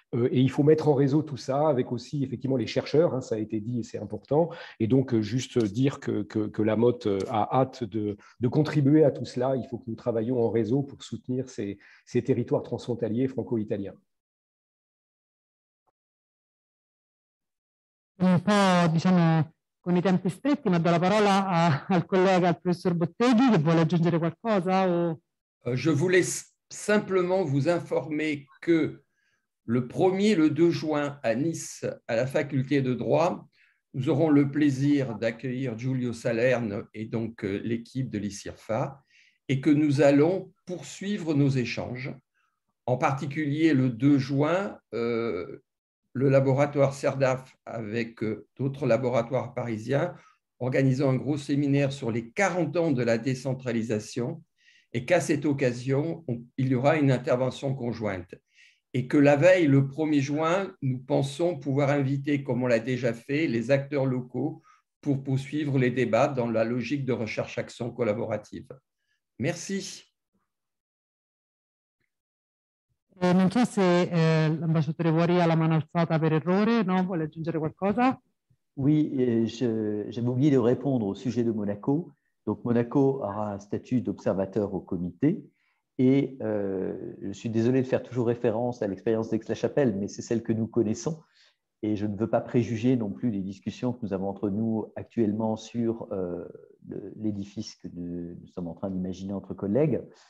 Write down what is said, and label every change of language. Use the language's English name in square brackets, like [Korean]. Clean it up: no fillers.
[French] Et il faut mettre en réseau tout ça avec aussi effectivement les chercheurs, hein, ça a été dit et c'est important. Et donc, juste dire que la MOT a hâte de contribuer à tout cela. Il faut que nous travaillions en réseau pour soutenir ces territoires transfrontaliers franco-italiens. [Italian] Un po' diciamo con i tempi stretti, ma do la parola al collega, al professor Botteghi, che vuole aggiungere qualcosa. O... [French] Je voulais simplement vous informer que le 1er et le 2 juin à Nice, à la faculté de droit, nous aurons le plaisir d'accueillir Giulio Salerno et donc l'équipe de l'ICIRFA, et que nous allons poursuivre nos échanges, en particulier le 2 juin. Le laboratoire CERDAF avec d'autres laboratoires parisiens organisant un gros séminaire sur les 40 ans de la décentralisation et qu'à cette occasion, il y aura une intervention conjointe. Et que la veille, le 1er juin, nous pensons pouvoir inviter, comme on l'a déjà fait, les acteurs locaux pour poursuivre les débats dans la logique de recherche-action collaborative. Merci. [Italian] Non so se l'ambasciatore Wari ha la mano alzata per errore, no? Vuole aggiungere qualcosa? [French] Oui, j'avais oublié de répondre au sujet de Monaco. Donc Monaco aura un statut d'observateur au comité et je suis désolé de faire toujours référence à l'expérience d'Aix-la-Chapelle, mais c'est celle que nous connaissons et je ne veux pas préjuger non plus les discussions que nous avons entre nous actuellement sur l'édifice que nous sommes en train d'imaginer entre collègues.